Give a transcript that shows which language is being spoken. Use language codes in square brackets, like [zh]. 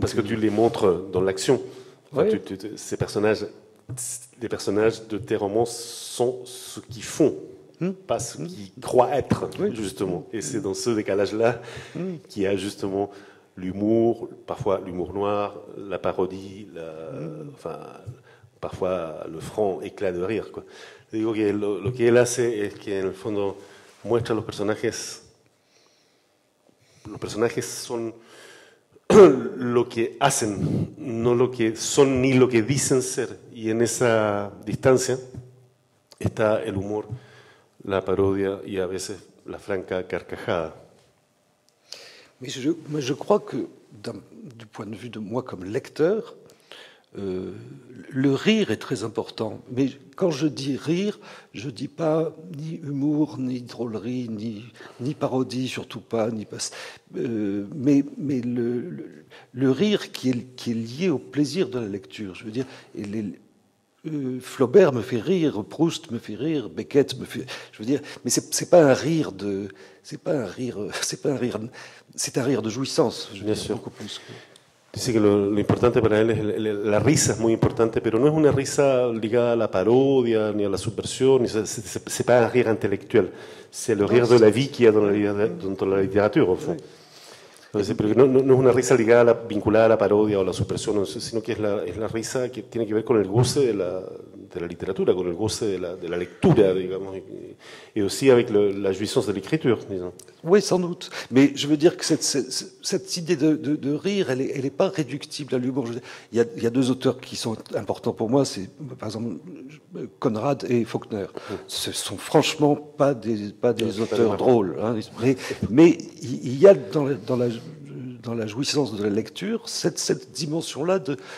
[fr] Parce que tu les montres dans l'action. Enfin, oui. Ces personnages, les personnages de tes romans sont ce qu'ils font. Pas ce qu'il croit être, oui, justement. Et c'est dans ce décalage-là qu'il y a justement l'humour, parfois l'humour noir, la parodie, enfin, parfois le franc éclat de rire, quoi. Je dis que [es] lo que él hace es que, en el fondo, muestra los personajes. Los personajes son lo que hacen, no lo que son ni lo que dicen ser. Y en esa distancia está el humor, la parodia y a veces la franca carcajada. [fr] Mais je crois que du point de vue de moi comme lecteur, le rire est très important. Mais quand je dis rire, je dis pas ni humour, ni drôlerie, ni parodie, surtout pas, ni pas. Mais le rire qui est lié au plaisir de la lecture, je veux dire. Et Flaubert me fait rire, Proust me fait rire, Beckett me fait. Je veux dire, mais c'est pas un rire. C'est un rire de jouissance. Je veux dire, beaucoup plus. [es] Dice que lo importante para él es la risa, es muy importante, pero no es una risa ligada a la parodia ni a la subversión, ni [fr] c'est pas un rire intellectuel. C'est le rire de la vie qu'il y a dans la littérature, au fond. [es] Porque no es una risa vinculada a la parodia o a la supresión, sino que es la risa que tiene que ver con el goce de la literatura, con el goce de la lectura, digamos, y [fr] aussi avec la jouissance de l'écriture, disons. Oui, sans doute. Mais je veux dire que cette idée de rire, elle est pas réductible à l'humour. Il y a deux auteurs qui sont importants pour moi, c'est par exemple Conrad et Faulkner. Ce sont franchement pas des auteurs drôles, hein, mais il y a dans la jouissance de la lecture cette dimension-là de...